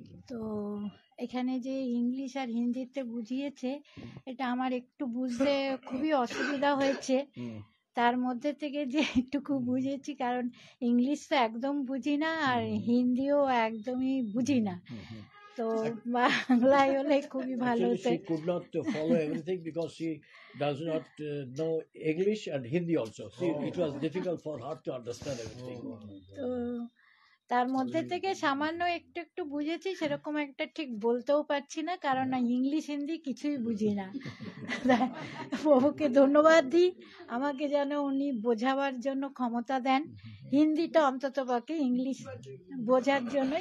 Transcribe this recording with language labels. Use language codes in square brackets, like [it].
[bn] তো এখানে যে ইংলিশ আর হিন্দিতে বুঝিয়েছে, এটা আমার একটু বুঝতে খুবই অসুবিধা হয়েছে। তার মধ্যে থেকে যে একটুকু বুঝেছি, কারণ ইংলিশ তো একদম বুঝি না আর হিন্দিও একদমই বুঝি না, তো বাংলাই হলে খুবই ভালো হতো। [en] She could not follow everything because she does not know English and Hindi also. It was difficult for her to understand everything. [bn] তো তার মধ্যে থেকে সামান্য একটু একটু বুঝেছি, সেরকম একটা ঠিক বলতেও পারছি না, কারণ না ইংলিশ হিন্দি কিছুই বুঝি না। প্রভুকে ধন্যবাদ দিই আমাকে যেন উনি বোঝাবার জন্য ক্ষমতা দেন, হিন্দিটা অন্তত পক্ষে ইংলিশ বোঝার জন্য।